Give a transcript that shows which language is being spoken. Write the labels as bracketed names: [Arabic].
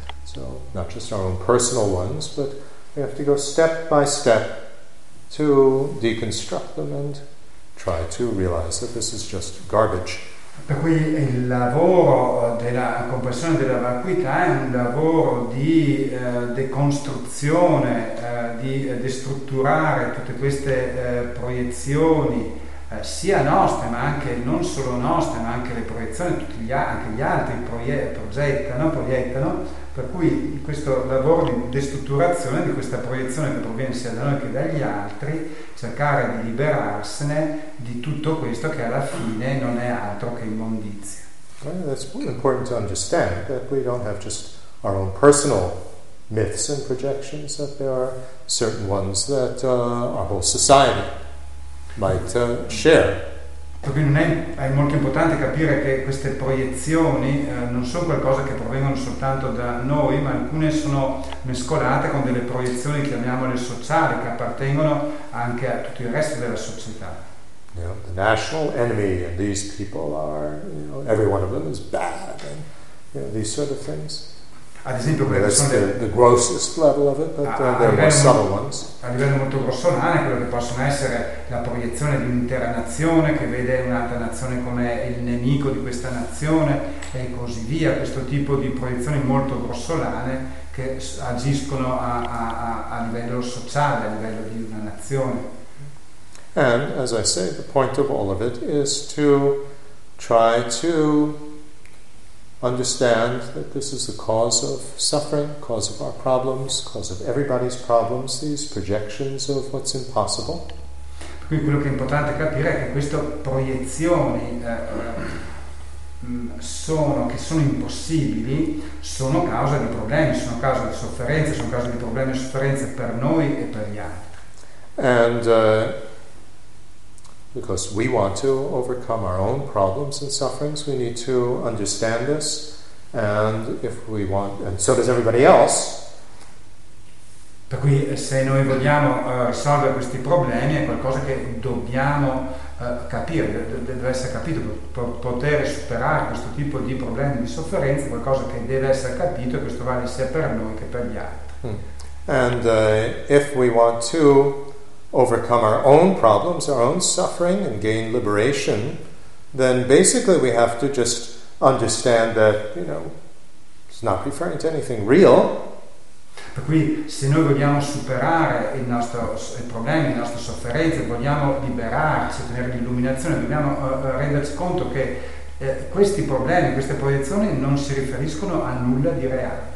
[English] So not just our own personal ones, but we have to go step by step to deconstruct them and try to realize that this is just garbage. [Italian] Per cui il lavoro della comprensione della vacuità è un lavoro di decostruzione, di destrutturare tutte queste proiezioni, sia nostre, ma anche non solo nostre, ma anche le proiezioni, anche gli altri proiettano. Per cui questo lavoro di destrutturazione di questa proiezione che proviene sia da noi che dagli altri, cercare di liberarsene di tutto questo che alla fine non è altro che immondizia. [English] Well, that's important to understand that we don't have just our own personal myths and projections, that there are certain ones that our whole society might share. [Italian] Per cui è molto importante capire che queste proiezioni non sono qualcosa che provengono soltanto da noi, ma alcune sono mescolate con delle proiezioni, chiamiamole sociali, che appartengono anche a tutto il resto della società. [English] You know, the national enemy and these people are, you know, every one of them is bad, and, you know, these sort of things. [Italian] Ad esempio, quelle [English] that's [Italian] sono [English] the grossest level of it, but there are more subtle ones. [Italian] A livello molto grossolano, quello che possono essere la proiezione di un'intera nazione che vede un'altra nazione come il nemico di questa nazione e così via, questo tipo di proiezioni molto grossolane che agiscono a livello sociale, a livello di una nazione. [English] And as I say, the point of all of it is to try to understand that this is the cause of suffering, cause of our problems, cause of everybody's problems, these projections of what's impossible. [Italian] Per cui quello che è importante capire è che queste proiezioni che sono impossibili sono causa di problemi, sono causa di sofferenze, sono causa di problemi e sofferenze per noi e per gli altri. [English] And because we want to overcome our own problems and sufferings, we need to understand this, and if we want, and so does everybody else. [Italian] Per cui se noi vogliamo risolvere questi problemi è qualcosa che dobbiamo capire, deve essere capito, per poter superare questo tipo di problemi di sofferenza, qualcosa che deve essere capito, e questo vale sia per noi che per gli altri. [English] And if we want to overcome our own problems, our own suffering, and gain liberation, then basically we have to just understand that, you know, it's not referring to anything real. [Italian] Per cui se noi vogliamo superare il nostro problema, le nostre sofferenze, vogliamo liberarci, ottenere l'illuminazione, dobbiamo renderci conto che questi problemi, queste proiezioni non si riferiscono a nulla di reale.